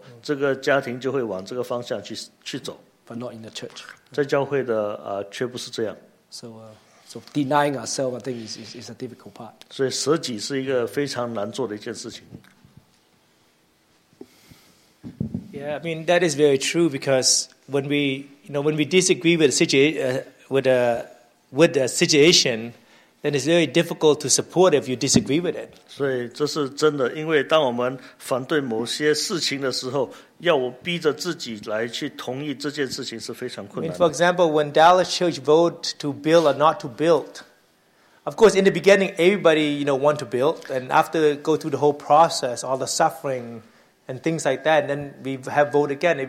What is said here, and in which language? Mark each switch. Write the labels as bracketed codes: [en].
[zh] 所以在家庭的方面来说，只要家庭的头决定了什么，这个家庭就会往这个方向去走。 [en] But not in the church. [zh] 在教会的却不是这样。 [en] So denying ourselves, I think, is a difficult part. [zh] 所以舍己是一个非常难做的一件事情。 [en] Yeah, I mean that is very true because when we, you know, when we disagree with a situation, then it's very difficult to support if you disagree with it. [zh] 所以这是真的，因为当我们反对某些事情的时候，要我逼着自己来去同意这件事情是非常困难的。 [en] I mean, for example, when Dallas Church vote to build or not to build, of course, in the beginning, everybody, you know, want to build, and after go through the whole process, all the suffering. And things like that, and then we have vote again.